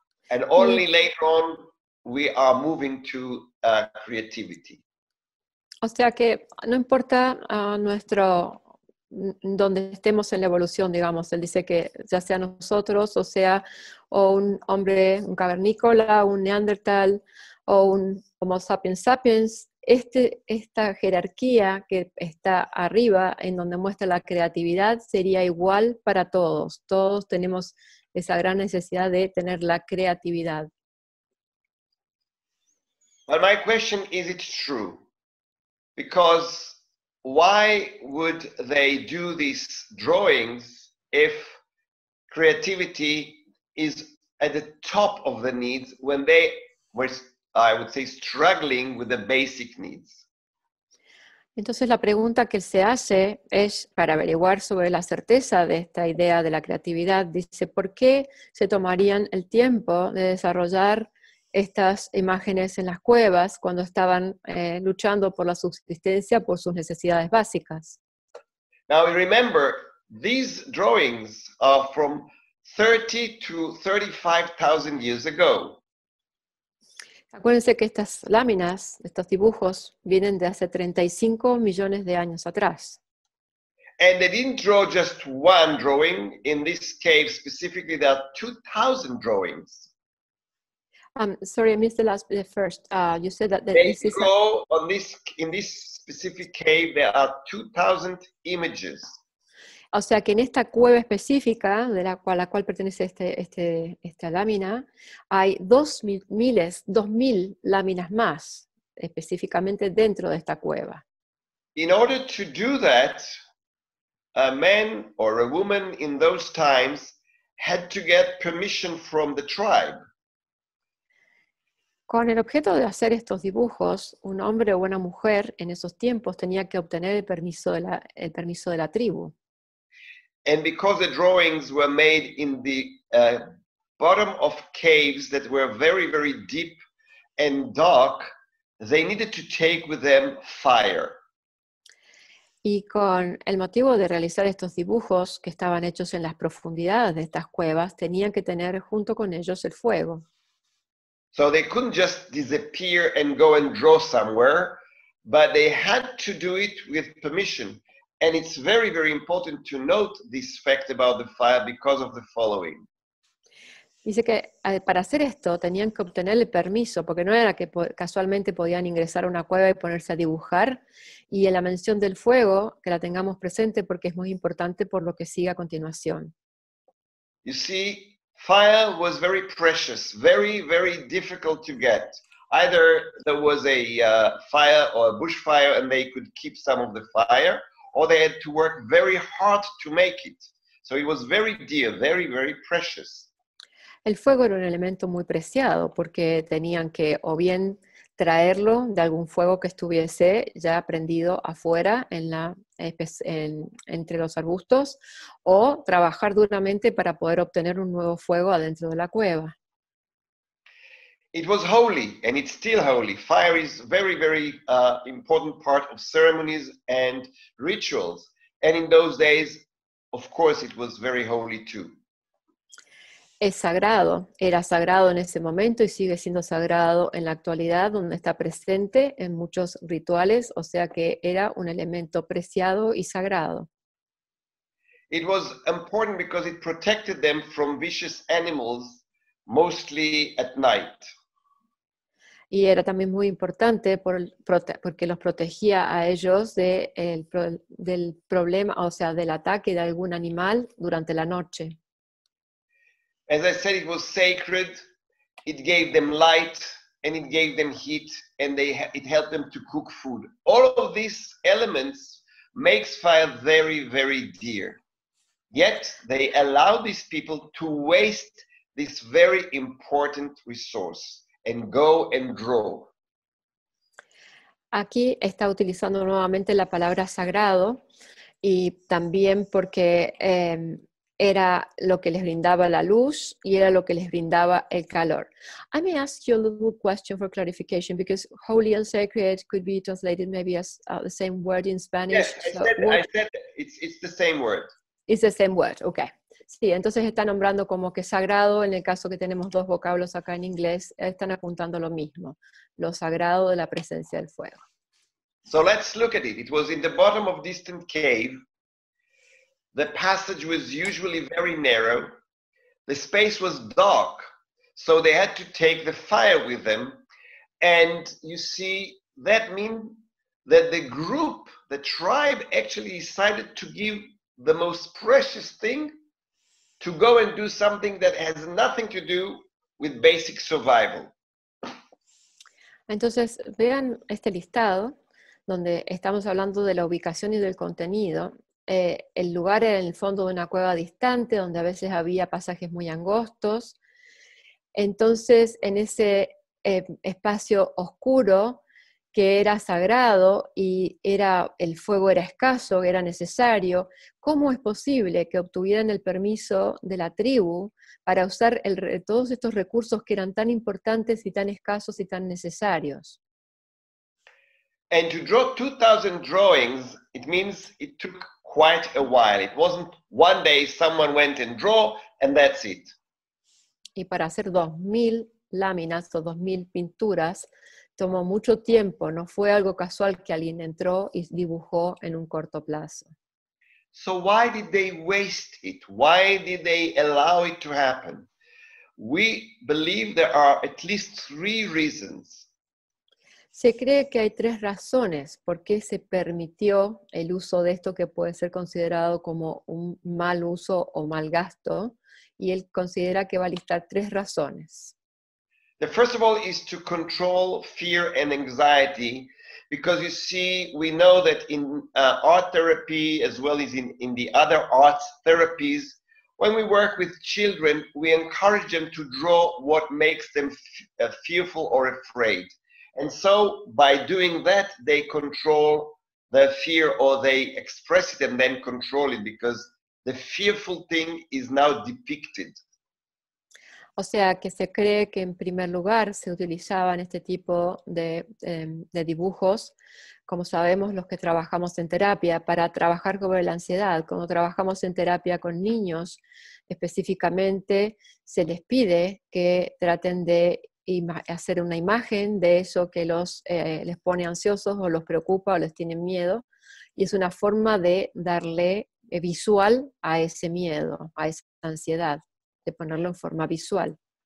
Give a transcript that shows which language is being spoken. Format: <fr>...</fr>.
<en>And only later on, we are moving to creativity.</en> <es>O sea que no importa nuestro, donde estemos en la evolución, digamos. Él dice que ya sea nosotros, o sea, o un hombre, un cavernícola, un neandertal, o un Homo sapiens sapiens, esta jerarquía que está arriba, en donde muestra la creatividad, sería igual para todos. Todos tenemos esa gran necesidad de tener la creatividad.</es> <en>But my question is, it true? Because why would they do these drawings if creativity is at the top of the needs when they were, I would say, struggling with the basic needs?</en> <es>Entonces la pregunta que se hace es, para averiguar sobre la certeza de esta idea de la creatividad, dice, ¿por qué se tomarían el tiempo de desarrollar estas imágenes en las cuevas cuando estaban luchando por la subsistencia, por sus necesidades básicas?</es> <en>Now remember, these drawings are from 30 to 35,000 years ago.</en> <es>Acuérdense que estas láminas, estos dibujos, vienen de hace 35 millones de años atrás.</es> <en>And they didn't draw just one drawing. In this cave specifically, there are 2,000 drawings. Sorry, I missed the first. You said that there is. In this specific cave, there are 2,000 images.</en> <es>O sea que en esta cueva específica de la cual, a la cual pertenece esta lámina, hay 2,000 láminas más, específicamente dentro de esta cueva.</es> <en>In order to do that, a man or a woman in those times had to get permission from the tribe.</en> <es>Con el objeto de hacer estos dibujos, un hombre o una mujer en esos tiempos tenía que obtener el permiso de la tribu.</es> <en>And because the drawings were made in the bottom of caves that were very, very deep and dark, they needed to take with them fire.</en> <es>Y con el motivo de realizar estos dibujos que estaban hechos en las profundidades de estas cuevas, tenían que tener junto con ellos el fuego.</es> <en>So they couldn't just disappear and go and draw somewhere, but they had to do it with permission. And it's very, very important to note this fact about the fire because of the following.</en> <es>Dice que para hacer esto tenían que obtener el permiso, porque no era que casualmente podían ingresar a una cueva y ponerse a dibujar. Y en la mención del fuego, que la tengamos presente porque es muy importante por lo que sigue a continuación.</es> <en>You see, fire was very precious, very, very difficult to get. Either there was a fire or a bushfire and they could keep some of the fire, or they had to work very hard to make it. So it was very dear, very, very precious.</en> <es>El fuego era un elemento muy preciado porque tenían que o bien traerlo de algún fuego que estuviese ya prendido afuera entre los arbustos, o trabajar duramente para poder obtener un nuevo fuego adentro de la cueva.</es> <en>It was holy, and it's still holy. Fire is very, very important part of ceremonies and rituals. And in those days, of course, it was very holy too.</en> <es>Es sagrado. Era sagrado en ese momento y sigue siendo sagrado en la actualidad, donde está presente en muchos rituales. O sea que era un elemento preciado y sagrado.</es> <en>It was important because it protected them from vicious animals, mostly at night.</en> <es>Y era también muy importante porque los protegía a ellos del problema, o sea, del ataque de algún animal durante la noche.</es> <en>As I said, it was sacred. It gave them light and it gave them heat and it helped them to cook food. All of these elements makes fire very, very dear. Yet they allow these people to waste this very important resource. And go and draw.</en> <es>Aquí está utilizando nuevamente la palabra sagrado, y también porque era lo que les brindaba la luz y era lo que les brindaba el calor.</es> <en>I may ask you a little question for clarification, because holy and sacred could be translated maybe as the same word in Spanish. Yes, I said it's the same word. It's the same word, okay.</en> <es>Sí, entonces está nombrando como que sagrado, en el caso que tenemos dos vocablos acá en inglés, están apuntando lo mismo, lo sagrado de la presencia del fuego.</es> <en>So let's look at it. It was in the bottom of distant cave. The passage was usually very narrow. The space was dark, so they had to take the fire with them. And you see, that means that the group, the tribe, actually decided to give the most precious thing to go and do something that has nothing to do with basic survival.</en> <es>Entonces, vean este listado, donde estamos hablando de la ubicación y del contenido. El lugar era en el fondo de una cueva distante, donde a veces había pasajes muy angostos. Entonces, en ese espacio oscuro, que era sagrado y era, el fuego era escaso, era necesario, ¿cómo es posible que obtuvieran el permiso de la tribu para usar todos estos recursos que eran tan importantes y tan escasos y tan necesarios?</es> <en>And to draw 2,000 drawings, it means it took quite a while. It wasn't one day someone went and draw and that's it.</en> <es>Y para hacer 2,000 láminas o 2,000 pinturas, tomó mucho tiempo, no fue algo casual que alguien entró y dibujó en un corto plazo.</es> <en>So why did they waste it? Why did they allow it to happen? We believe there are at least 3 reasons.</en> <es>Se cree que hay 3 razones por qué se permitió el uso de esto que puede ser considerado como un mal uso o mal gasto, y él considera que va a listar 3 razones.</es> <en>The first of all is to control fear and anxiety, because you see, we know that in art therapy, as well as in the other arts therapies, when we work with children, we encourage them to draw what makes them fearful or afraid. And so by doing that, they control their fear, or they express it and then control it, because the fearful thing is now depicted.</en> <es>O sea, que se cree que en primer lugar se utilizaban este tipo de dibujos, como sabemos los que trabajamos en terapia, para trabajar sobre la ansiedad. Cuando trabajamos en terapia con niños, específicamente se les pide que traten de hacer una imagen de eso que les pone ansiosos o los preocupa o les tiene miedo, y es una forma de darle visual a ese miedo, a esa ansiedad, de ponerlo en forma visual.</es>